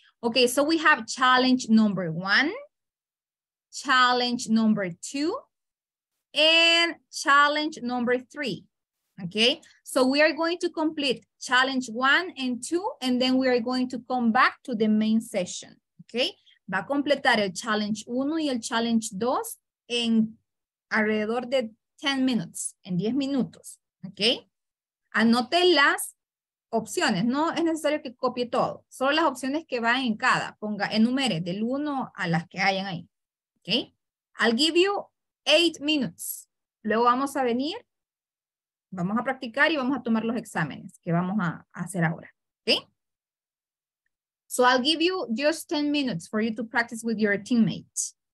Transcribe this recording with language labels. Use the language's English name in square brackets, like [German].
[English] Okay. So we have challenge number one, challenge number two, and challenge number three. Okay, so we are going to complete challenge one and two, and then we are going to come back to the main session. [Spanish] Okay, va a completar el challenge uno y el challenge dos en alrededor de 10 minutes, en 10 minutos. Okay, anote las opciones, no es necesario que copie todo, solo las opciones que van en cada, ponga, enumere del uno a las que hayan ahí. [English] Okay, I'll give you 8 minutes, [Spanish] luego vamos a venir. Vamos a practicar y vamos a tomar los exámenes que vamos a hacer ahora. Okay? [English] So I'll give you just 10 minutes for you to practice with your teammates.